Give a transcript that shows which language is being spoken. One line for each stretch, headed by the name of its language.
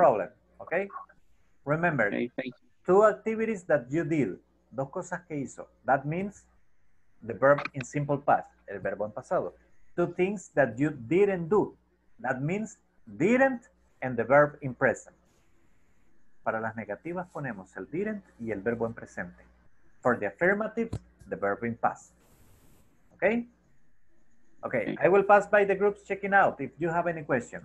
English: Problem. Okay. Remember, okay, thank you. Two activities that you did.
Spanish: Dos cosas que hizo.
English: That means the verb in simple past.
Spanish: El verbo en pasado.
English: Two things that you didn't do. That means didn't and the verb in present.
Spanish: Para las negativas ponemos el didn't y el verbo en presente.
English: For the affirmative, the verb in past. Okay? Okay, I will pass by the groups checking out if you have any question.